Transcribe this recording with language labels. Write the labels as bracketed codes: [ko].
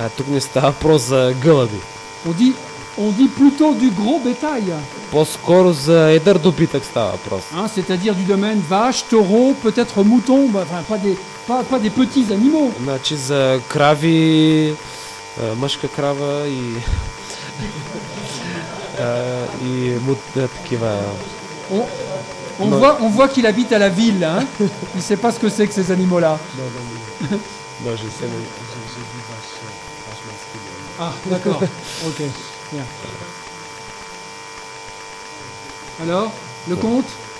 [bg] А тук не става въпрос за гълъби. [fr] On dit plutôt du gros bétail. [bg] По-скоро за едър добитък става въпрос. [fr] Hein, c'est-à-dire du domaine vache, taureau, peut-être mouton, enfin pas des petits animaux. [bg] Значи за крави, мъжка крава и и мутна такива. [fr] On voit qu'il habite à la ville, hein. Il sait pas ce que c'est que ces animaux là. Non, je sais, j'ai vu vache masculine. Ah, d'accord. OK. Bien. Alors, le compte?